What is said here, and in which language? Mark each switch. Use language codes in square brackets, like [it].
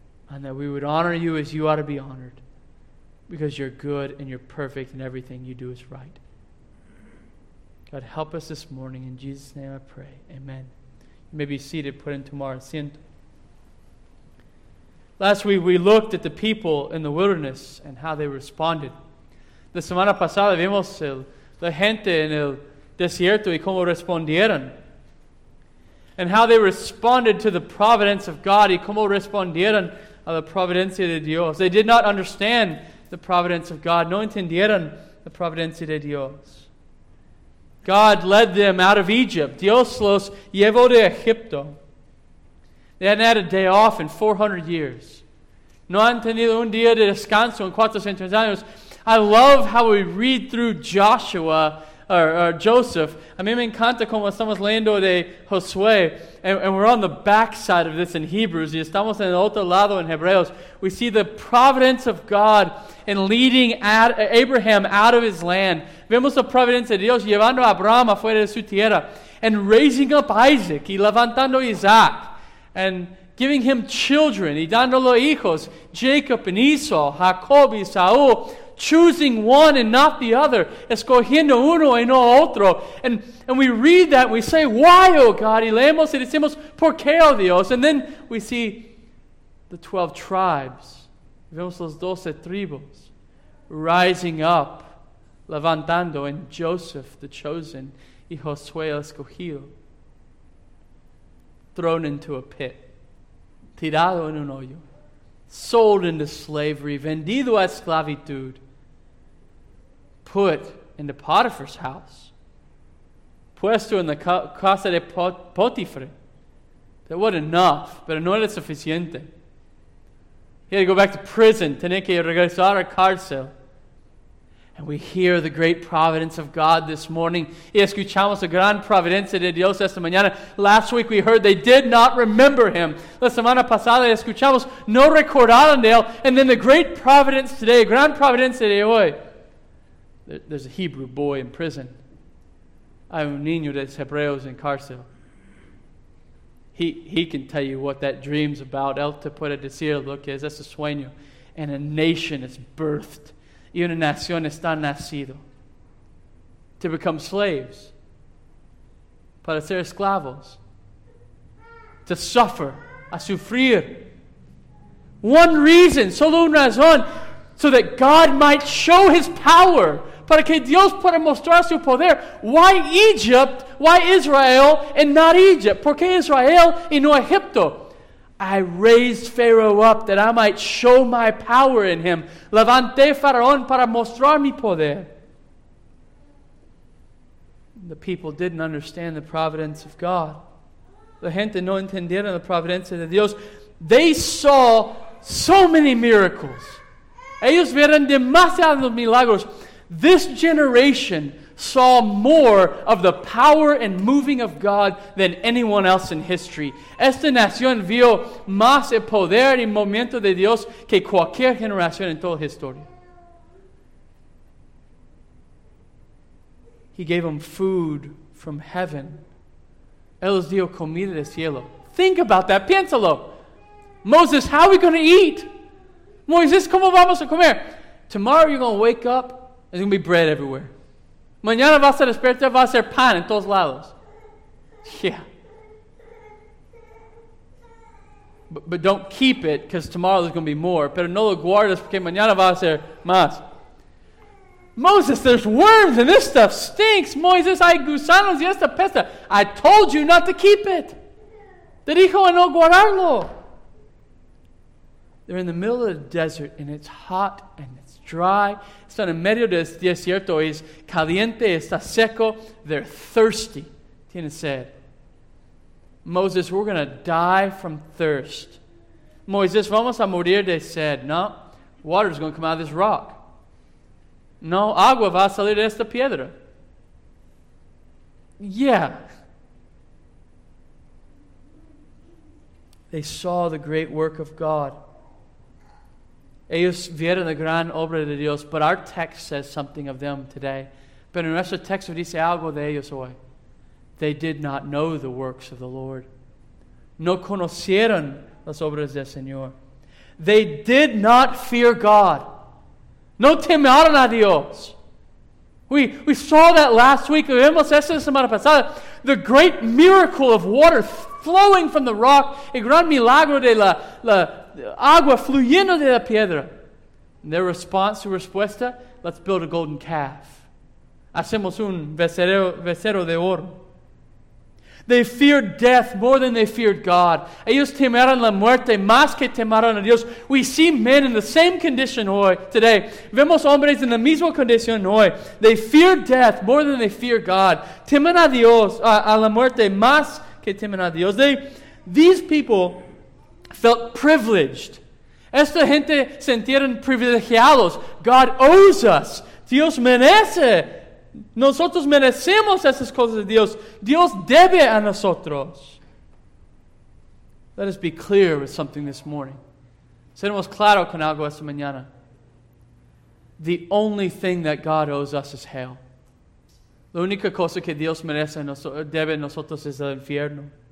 [en] And that we would honor you as you ought to be honored. Because you're good and you're perfect and everything you do is right. God, help us this morning. In Jesus' name I pray. Amen. You may be seated, put in tomorrow's asiento. Last week we looked at the people in the wilderness and how they responded. [es] La semana pasada vimos la gente en el desierto y cómo respondieron. [en] And how they responded to the providence of God [es] y cómo respondieron a la providencia de Dios. [en] They did not understand the providence of God, [es] no entendieron la providencia de Dios. [en] God led them out of Egypt. [es] Dios los llevó de Egipto. [en] They hadn't had a day off in 400 years. [es] No han tenido un día de descanso en 400 años. [en] I love how we read through Joshua, or Joseph. [es] A mí me encanta cómo estamos leyendo de Josué. [en] And we're on the back side of this in Hebrews. [es] Y estamos en el otro lado en Hebreos. [en] We see the providence of God in leading Abraham out of his land. [es] Vemos la providencia de Dios llevando a Abraham afuera de su tierra. [en] And raising up Isaac [es] y levantando Isaac. [en] And giving him children, [es] y dándolo hijos, [en] Jacob and Esau, [es] Jacob y Saul, [en] choosing one and not the other, [es] escogiendo uno y no otro. [en] And we read that, and we say, why, oh God? [es] Y leemos y decimos, ¿por qué, oh Dios? [en] And then we see the 12 tribes, [es] vemos los 12 tribus, [en] rising up, [es] levantando, [en] and Joseph, the chosen, [es] y Josué, el escogido. [en] Thrown into a pit, [es] tirado en un hoyo, [en] sold into slavery, [es] vendido a esclavitud, [en] put into Potiphar's house, [es] puesto en la casa de Potiphar. [en] That wasn't enough, [es] pero no era suficiente. [en] He had to go back to prison, [es] tenía que regresar a cárcel. [en] And we hear the great providence of God this morning. [es] Y escuchamos la gran providencia de Dios esta mañana. [en] Last week we heard they did not remember him. [es] La semana pasada escuchamos no recordaron de él. [en] And then the great providence today, [es] gran providencia de hoy. [en] There's a Hebrew boy in prison. [es] Hay un niño de Hebreos en cárcel. [en] He can tell you what that dream's about. [es] Él te puede decir lo que es ese sueño. [en] And a nation is birthed. [es] Y una nación está nacido. [en] to become slaves, [es] para ser esclavos, [en] to suffer, [es] a sufrir. [en] One reason, [es] solo una razón, [en] so that God might show His power, [es] para que Dios pueda mostrar su poder. [en] Why Egypt? Why Israel and not Egypt? [es] ¿Por qué Israel y no Egipto? [en] I raised Pharaoh up that I might show my power in him. [es] Levanté Faraón para mostrar mi poder. [en] The people didn't understand the providence of God. [es] La gente no entendieron la providencia de Dios. [en] They saw so many miracles. [es] Ellos vieron demasiados milagros. [en] This generation saw more of the power and moving of God than anyone else in history. [es] Esta nación vio más el poder y movimiento de Dios que cualquier generación en toda la historia. [en] He gave them food from heaven. [es] Él les dio comida del cielo. [en] Think about that. [es] Piénsalo. [en] Moses, how are we going to eat? [es] Moisés, ¿cómo vamos a comer? [en] Tomorrow you're going to wake up and there's going to be bread everywhere. [es] Mañana vas a despertar, va a ser pan en todos lados. [en] Yeah. But don't keep it, because tomorrow there's going to be more. [es] Pero no lo guardas, porque mañana va a ser más. [en] Moses, there's worms and this stuff stinks. [es] Moisés, hay gusanos y esta peste. [en] I told you not to keep it. [es] Te dijo a no guardarlo. [en] They're in the middle of the desert, and it's hot and it's dry. [es] Están en medio del desierto, es caliente, está seco. [en] They're thirsty. [es] Tienen sed. [en] Moses, we're going to die from thirst. [es] Moisés, vamos a morir de sed. [en] No, water is going to come out of this rock. [es] No, agua va a salir de esta piedra. [en] Yeah. They saw the great work of God. [es] Ellos vieron la gran obra de Dios, [en] but our text says something of them today. [es] Pero nuestro texto dice algo de ellos hoy. [en] They did not know the works of the Lord. [es] No conocieron las obras del Señor. [en] They did not fear God. [es] No temieron a Dios. [en] We saw that last week. [es] Vimos esa semana pasada. [en] The great miracle of water flowing from the rock. [es] El gran milagro de la agua fluyendo de la piedra. [en] And their response, [es] su respuesta, [en] let's build a golden calf. [es] Hacemos un becerro de oro. [en] They feared death more than they feared God. [es] Ellos temieron la muerte más que temieron a Dios. [en] We see men in the same condition [es] hoy, [en] today. [es] Vemos hombres en la misma condición hoy. [en] They feared death more than they feared God. [es] Temen a Dios, a la muerte más que temen a Dios. [en] These people felt privileged. [es] Esta gente sentieron privilegiados. [en] God owes us. [es] Dios merece. Nosotros merecemos esas cosas de Dios. Dios debe a nosotros. [en] Let us be clear with something this morning. [es] Seremos claro con algo esta mañana. [en] The only thing that God owes us is hell. [es] La única cosa que Dios merece debe a nosotros es el infierno.